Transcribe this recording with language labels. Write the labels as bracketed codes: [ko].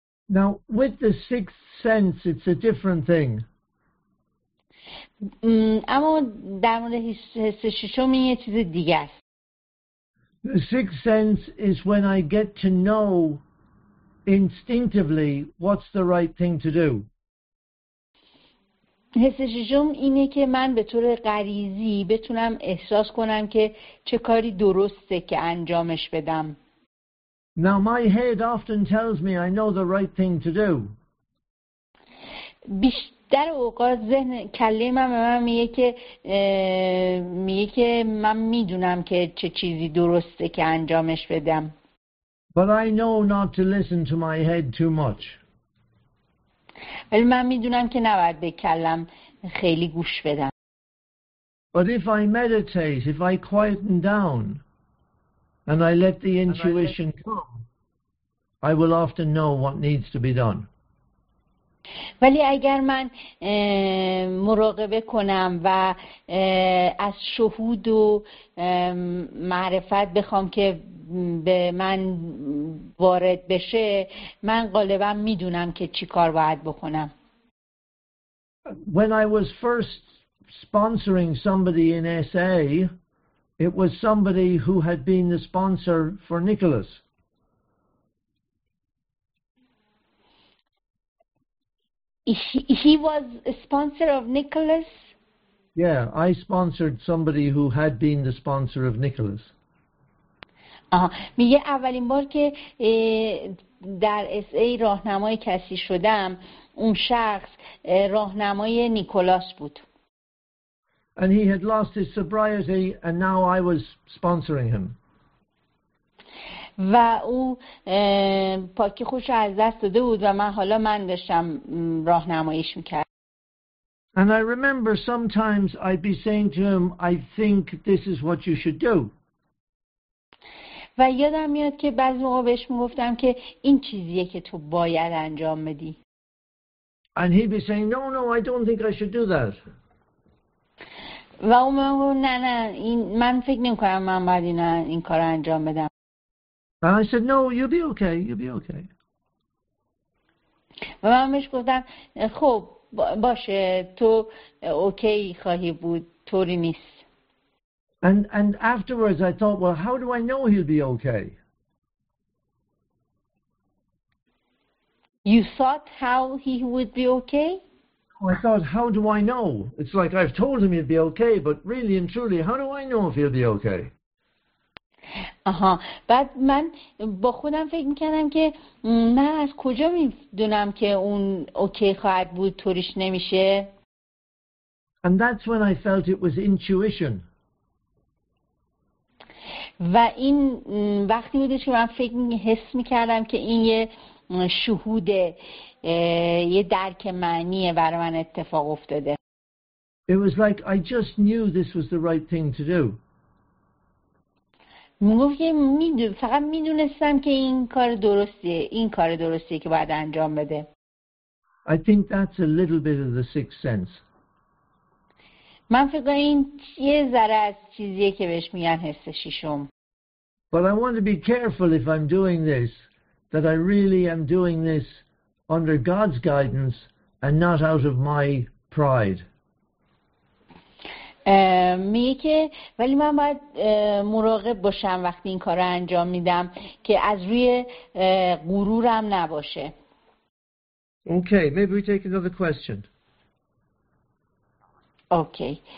[en] Now with the sixth sense it's a different thing. [fa] اما در مورد حس ششم یه چیز دیگه است. [en] The sixth sense is when I get to know instinctively what's the right thing to do. [fa] حس ششم اینه که من به طور غریزی بتونم احساس کنم که چه کاری درسته که انجامش بدم. [en] Now my head often tells me I know the right thing to do. [fa] بیشتر اوقات ذهن کله من به من میگه که من میدونم که چه چیزی درسته که انجامش بدم. [en] But I know not to listen to my head too much. [fa] ولی من میدونم که نباید به کلم خیلی گوش بدم. [en] But if I meditate, if I quieten down and I let the intuition come, I will often know what needs to be done. [fa] ولی اگر من مراقبه کنم و از شهود و معرفت بخوام که به من وارد بشه، من غالبا میدونم که چی کار باید بکنم. [en] When I was first sponsoring somebody in SA, it was somebody who had been the sponsor for Nicholas. He was a sponsor of Nicholas? Yeah, I sponsored somebody who had been the sponsor of Nicholas. [fa] میگه اولین بار که در اس ای راهنمای کسی شدم، اون شخص راهنمای نیکولاس بود. [en] And he had lost his sobriety and now I was sponsoring him. [fa] و او پاکی خوش از دست داده بود و من حالا من داشتم راهنماییش میکردم. [en] And I remember sometimes I'd be saying to him, I think this is what you should do. [fa] و یادم میاد که بعضی موقع بهش میگفتم که این چیزیه که تو باید انجام بدی. [en] And he'd be saying, no, no, I don't think I should do that. [fa] و او میگه نه نه این من فکر نمیکنم من باید این کار رو انجام بدم. [en] And I said, no, you'll be okay, you'll be okay. [fa] و من بهش گفتم خب باشه تو اوکی خواهی بود، طوری نیست. [en] And afterwards I thought, well, how do I know he'll be okay? You thought how he would be okay? I thought, how do I know? It's like I've told him he'll be okay, but really and truly, how do I know if he'll be okay? [fa] بعد من با خودم فکر میکردم که من از کجا میدونم که اون اوکی خواهد بود، طوریش نمیشه. [en] And that's when I felt it was intuition. [fa] و این وقتی بودش که من فکر حس میکردم که این یه شهود، یه درک معنیه برای من اتفاق افتاده. [en] It was like I just knew this was the right thing to do. [fa] میگفت که فقط میدونستم که این کار درستیه که باید انجام بده. [en] I think that's a little bit of the sixth sense. [fa] من فکر این یه ذره از چیزیه که بهش میگن حس ششم. [en] But I want to be careful if I'm doing this, that I really am doing this under God's guidance and not out of my pride. [fa] میگه که ولی من باید مراقب باشم وقتی این کار رو انجام میدم که از روی غرورم نباشه. [en] Okay, maybe we take another question. Okay.